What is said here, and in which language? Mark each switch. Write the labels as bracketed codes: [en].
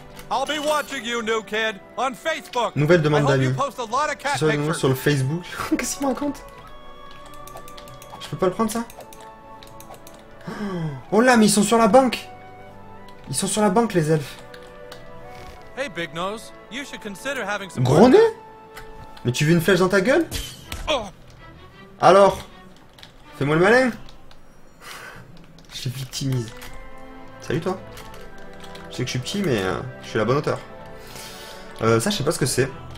[en] I'll be watching you, new kid, on Facebook. [fr] Nouvelle demande d'amis. Sur le Facebook. Qu'est-ce qu'il me raconte? Je peux pas le prendre ça? Oh là, mais ils sont sur la banque! Ils sont sur la banque, les elfes! [en] Hey, Big Nose, you should consider having some... [fr] Gros nez? Mais tu veux une flèche dans ta gueule? Oh. Alors? Fais-moi le malin! Je te victimise. Salut toi! sais que je suis petit, mais je suis à la bonne hauteur. Ça, je sais pas ce que c'est.